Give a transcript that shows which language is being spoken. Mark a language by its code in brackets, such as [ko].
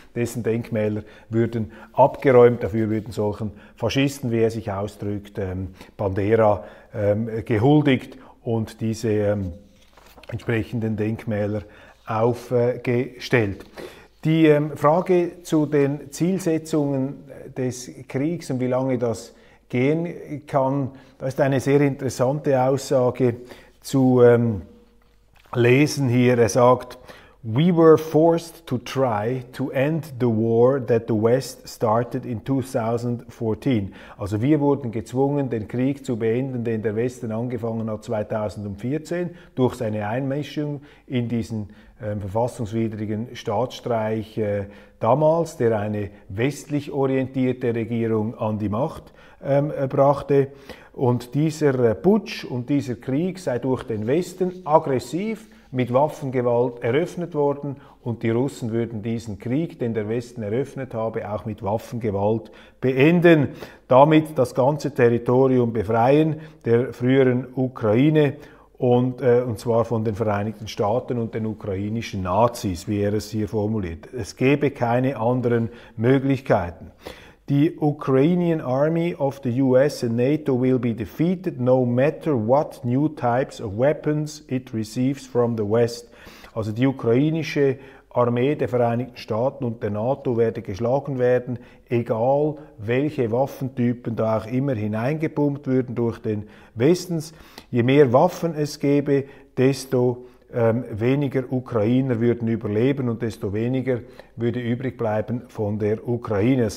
[de] Dessen Denkmäler würden abgeräumt. Dafür würden solchen Faschisten, wie er sich ausdrückt, Bandera gehuldigt und diese entsprechenden Denkmäler aufgestellt. Die Frage zu den Zielsetzungen des Kriegs und wie lange das gehen kann, da ist eine sehr interessante Aussage zu lesen hier. Er sagt, [en] we were forced to try to end the war that the West started in 2014. [de] Also wir wurden gezwungen, den Krieg zu beenden, den der Westen angefangen hat 2014, durch seine Einmischung in diesen verfassungswidrigen Staatsstreich damals, der eine westlich orientierte Regierung an die Macht brachte. Und dieser Putsch und dieser Krieg sei durch den Westen aggressiv mit Waffengewalt eröffnet worden und die Russen würden diesen Krieg, den der Westen eröffnet habe, auch mit Waffengewalt beenden, damit das ganze Territorium befreien der früheren Ukraine und zwar von den Vereinigten Staaten und den ukrainischen Nazis, wie er es hier formuliert. Es gäbe keine anderen Möglichkeiten. [en] The Ukrainian army of the US and NATO will be defeated no matter what new types of weapons it receives from the West. [de] Also die ukrainische Armee der Vereinigten Staaten und der NATO werde geschlagen werden, egal welche Waffentypen da auch immer hineingepumpt würden durch den Westen. Je mehr Waffen es gäbe, desto weniger Ukrainer würden überleben und desto weniger würde übrig bleiben von der Ukraine.